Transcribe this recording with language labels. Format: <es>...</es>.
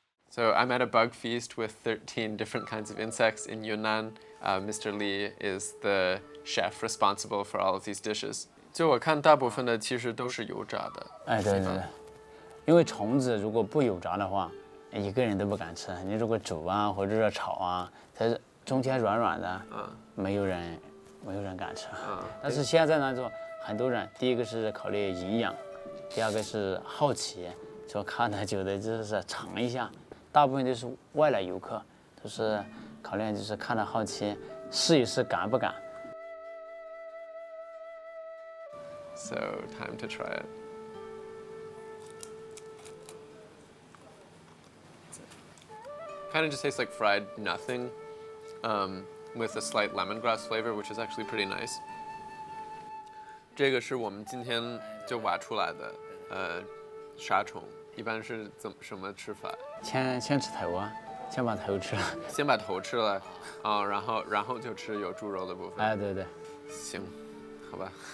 <en>So I'm at a bug feast with 13 different kinds of insects in Yunnan. Mr. Li is the chef responsible for all of these dishes.</en> <zh>就我看大部分的其实都是油炸的。哎，对对对，因为虫子如果不油炸的话，一个人都不敢吃。你如果煮啊或者说炒啊，它中间软软的，没有人敢吃。但是现在呢，就很多人，第一个是考虑营养，第二个是好奇，就看了觉得就是尝一下。大部分都是外来游客，都是考虑就是看了好奇，试一试敢不敢。</zh> <en>So time to try it. Kind of just tastes like fried nothing, with a slight lemongrass flavor, which is actually pretty nice.</en> <zh>这个是我们今天就挖出来的，沙虫。一般是怎么什么吃法？先吃头啊，先把头吃了。先把头吃了，哦，然后就吃有猪肉的部分。哎，对对。行，好吧。</zh>